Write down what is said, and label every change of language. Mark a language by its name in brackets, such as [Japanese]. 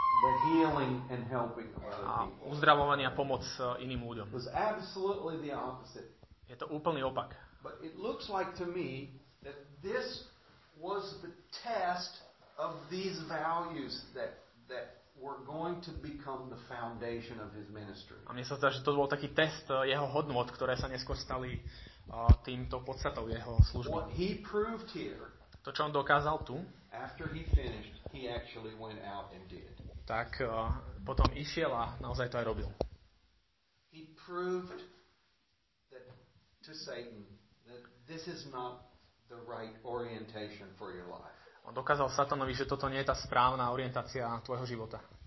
[English] The healing and helping other people. [Slovak] A uzdravovanie a pomoc iným ľuďom. [English] It was absolutely the opposite. [Slovak] Je to úplný opak. [English] But it looks like to me that this was the test of these values that were going to become the foundation of his ministry. [Slovak] A mne sa zdá, že to bol taký test jeho hodnot, ktoré sa neskôr stali týmto podstatou jeho služby. [English] What he proved here, [Slovak] to, čo on dokázal tu, [English] after he finished, he actually went out and did. [Slovak] Tak potom išiel a naozaj to aj robil. [English] He proved that to Satan that this is not the right orientation for your life. [Slovak] On dokázal Satanovi, že toto nie je tá správna orientácia tvojho života.